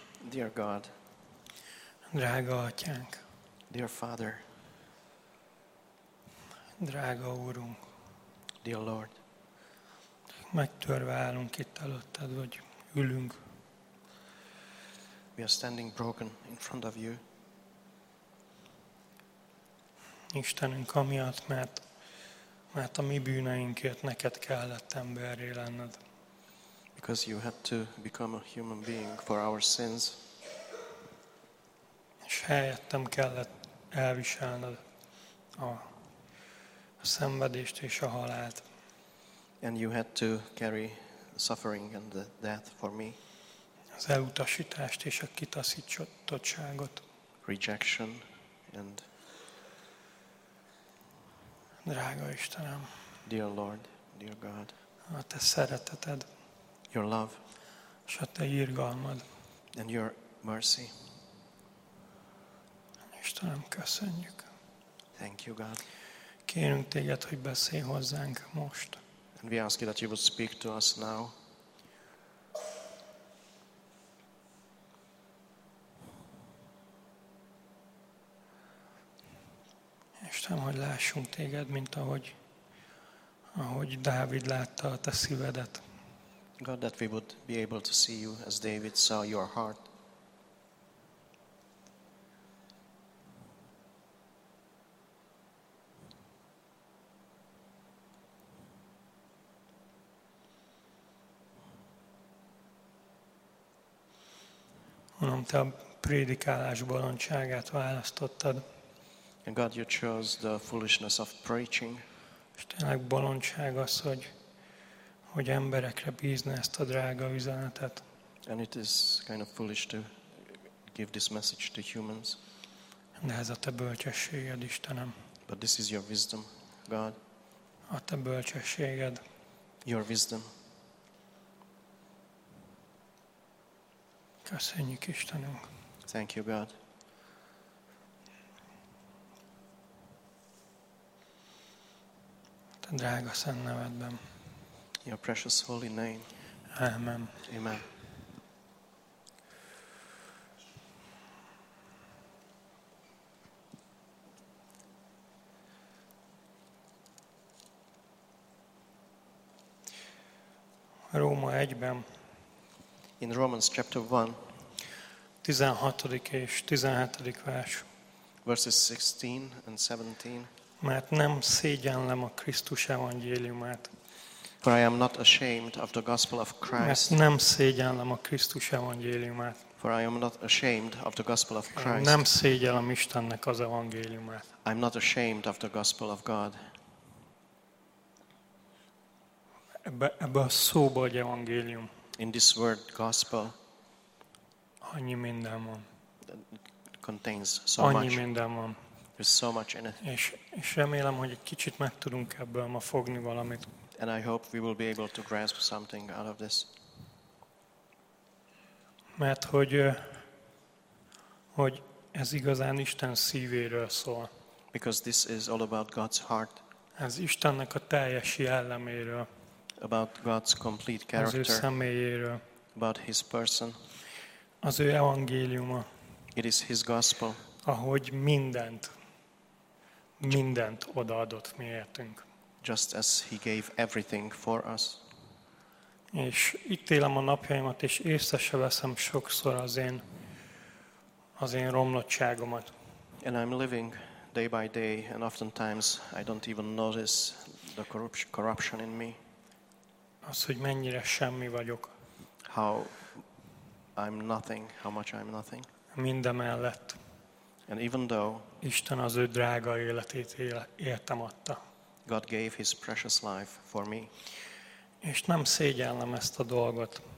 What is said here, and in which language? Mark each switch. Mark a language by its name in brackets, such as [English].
[English] Dear God. [Hungarian] Drága Atyánk. [English] Dear Father. [Hungarian] Drága Úrunk. [English] Dear Lord. [Hungarian] Megtörve állunk itt előtted, vagy ülünk. [English] We are standing broken in front of you. [Hungarian] Istenünk, amiatt, mert a mi bűneinkért neked kellett emberré lenned. [English] Because you had to become a human being for our sins. [Hungarian] És helyettem kellett elviselned a szenvedést és a halált. [English] And you had to carry suffering and the death for me. [Hungarian] Az elutasítást és a kitaszítottságot. [English] Rejection and [Hungarian] drága Istenem. [English] Dear Lord, dear God. [Hungarian] A te szereteted. [English] Your love, [Hungarian] és a te irgalmad, [English] and your mercy. [Hungarian] Istenem, köszönjük. [English] Thank you, God. [Hungarian] Kérünk téged, hogy beszélj hozzánk most. [English] And we ask you that you would speak to us now. [Hungarian] Istenem, hogy lássunk téged, mint ahogy Dávid látta a te szívedet. [English] God, that we would be able to see you as David saw your heart. [Hungarian] Mondom, te a prédikálás bolondságát választottad. [English] And God, you chose the foolishness of preaching. [Hungarian] És tényleg bolondság az, hogy emberekre bízni ezt a drága üzenetet. [English] And it is kind of foolish to give this message to humans. [Hungarian] De ez a te bölcsességed, Istenem. [English] But this is your wisdom, God. [Hungarian] A te bölcsességed. [English] Your wisdom. [Hungarian] Köszönjük, Istenünk. [English] Thank you, God. [Hungarian] Te drága szent nevedben. [English] Your precious holy name. [Hungarian] Amen. [English] Amen. [Hungarian] Róma 1-ben. [English] In Romans chapter 1. [Hungarian] 16. és 17. vers. [English] Verses 16 and 17. [Hungarian] Mert nem szégyellem a Krisztus evangéliumát. [English] For I am not ashamed of the gospel of Christ. [Hungarian] Mert nem szégyellem a Krisztus evangéliumát. [English] For I am not ashamed of the gospel of Christ. [Hungarian] Nem szégyellem Istennek az evangéliumát. [English] I am not ashamed of the gospel of God. [Hungarian] Ebbe a szóba egy evangélium. [English] In this word gospel. [Hungarian] Annyi minden van. [English] Contains so [Hungarian] annyi [English] much. [Hungarian] Minden van. [English] There's so much in it. [Hungarian] És remélem, hogy egy kicsit meg tudunk ebből ma fogni valamit. [English] And I hope we will be able to grasp something out of this. [Hungarian] Mert hogy ez igazán Isten szívéről szól. [English] Because this is all about God's heart. [Hungarian] Ez Istennek a teljes jelleméről. [English] About God's complete character. [Hungarian] Az ő személyéről. [English] About his person. [Hungarian] Az ő evangéliuma. [English] It is his gospel. [Hungarian] Ahogy mindent odaadott miértünk. [English] Just as he gave everything for us. [Hungarian] És itt élem a napjaimat, és észre se veszem sokszor az én romlottságomat. [English] And I'm living day by day, and oftentimes I don't even notice the corruption in me. [Hungarian] Az, hogy mennyire semmi vagyok. [English] How I'm nothing, how much I'm nothing. [Hungarian] Mindemellett. [English] And even though [Hungarian] Isten az ő drága életét értem adta. [English] God gave his precious life for me. [Hungarian] És nem szégyellem ezt a dolgot.